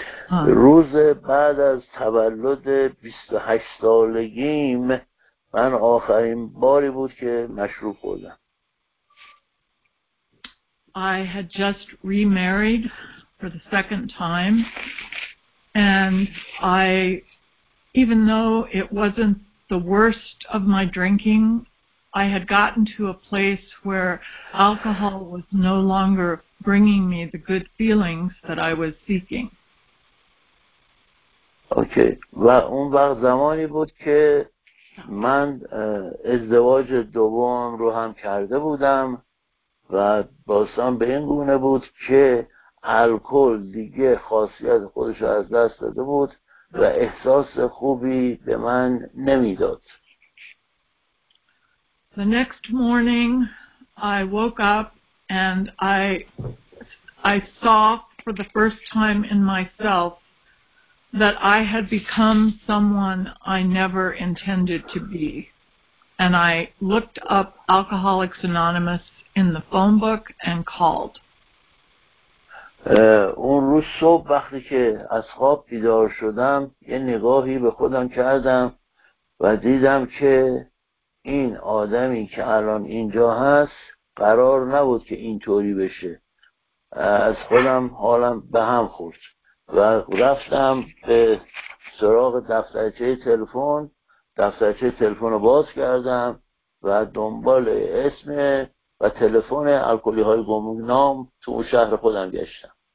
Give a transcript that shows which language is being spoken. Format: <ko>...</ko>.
<fa>روز بعد از تولد 28 سالگیم من آخرین باری بود که مشروب خوردم.</fa> <en>I had just remarried for the second time and I, even though it wasn't the worst of my drinking, I had gotten to a place where alcohol was no longer bringing me the good feelings that I was seeking. Okay.</en> <fa>و اون وقت زمانی بود که من ازدواج دوم رو هم کرده بودم و باستان به این گونه بود که الکل دیگه خاصیت خودش رو از دست داده بود و احساس خوبی به من نمیداد.</fa> <en>The next morning I woke up and I saw for the first time in myself that I had become someone I never intended to be. And I looked up Alcoholics Anonymous in the phone book and called.</en> <fa>اون روز صبح وقتی که از خواب بیدار شدم یه نگاهی به خودم کردم و دیدم که این آدمی که الان اینجا هست قرار نبود که اینطوری بشه. از خودم حالم به هم خورد و رفتم به سراغ دفترچه تلفن، دفترچه تلفن رو باز کردم و دنبال اسم و تلفن الکلی های گمنام تو اون شهر خودم گشتم.</fa>